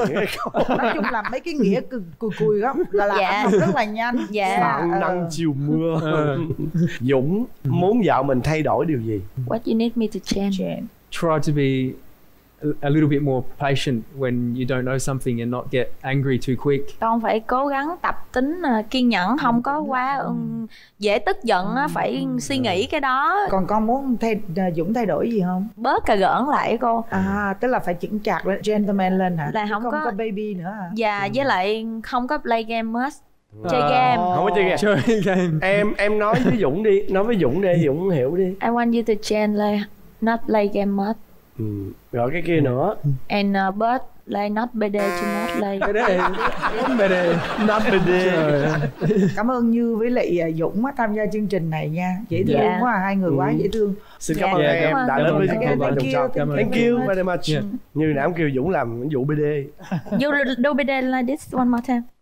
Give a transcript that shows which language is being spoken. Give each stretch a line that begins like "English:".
Vietnamese: Nói chung là mấy cái nghĩa cùi cùi đó là học rất là nhanh. Sáng nắng chiều mưa. Dũng muốn vợ mình thay đổi điều gì?
English: What you need me to change? Try to be a little bit more patient when you don't know something and not get angry too quick.
Vietnamese: Con phải cố gắng tập tính kiên nhẫn, không có quá dễ tức giận, phải suy nghĩ cái đó. Còn con muốn Dũng thay đổi gì không? Bớt cà gỡn lại cô. Tức là phải chững chạc lên, gentleman lên hả? Là không có baby nữa hả? Dạ, với lại không có
English: play game much.
Vietnamese: Chơi game. Không có chơi game. Chơi game. Em nói với Dũng đi, Dũng hiểu đi.
English: I want you to change like not play game much.
Vietnamese: Rồi cái kia nữa.
English: And but like not bad day to not like.
Vietnamese: Không
English: bad day. Not bad day.
Vietnamese: Cảm ơn Như với lại Dũng tham gia chương trình này nha. Dễ thương quá, hai người quá dễ thương. Xin cảm ơn em đã đến với chương trình.
English: Thank you very much.
Vietnamese: Như nãy em kêu Dũng làm vụ bd.
English: You do bd like this one more time.